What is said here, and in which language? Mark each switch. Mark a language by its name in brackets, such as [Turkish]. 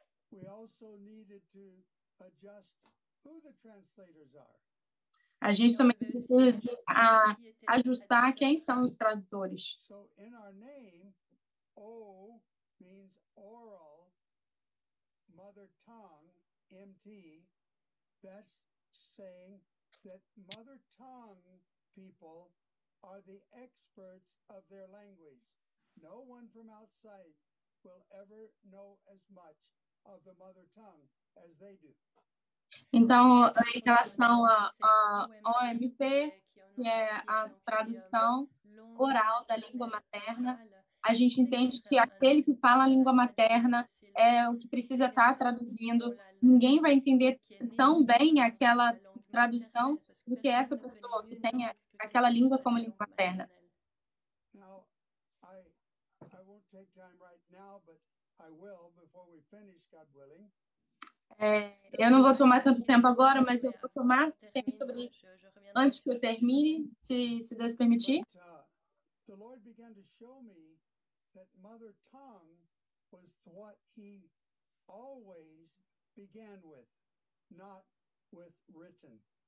[English] We also needed to adjust who the translators are. [Portuguese] A gente também precisa ajustar quem são os tradutores. [English] So in our name, O means oral, mother tongue, MT, that's saying that mother tongue people are the experts of their language. No one from outside will ever know as much of the mother tongue as they do. [Portuguese] Então, em relação à OMP, que é a tradução oral da língua materna, a gente entende que aquele que fala a língua materna é o que precisa estar traduzindo. Ninguém vai entender tão bem aquela tradução do que essa pessoa que tem aquela língua como língua materna. [English] Now, I won't take time right now, but I will before we finish, God willing. [Portuguese] Eu não vou tomar tanto tempo agora, mas eu vou tomar tempo sobre isso antes que eu termine, se Deus permitir. [English] The Lord began to show me that mother tongue was what he always began with, not with written.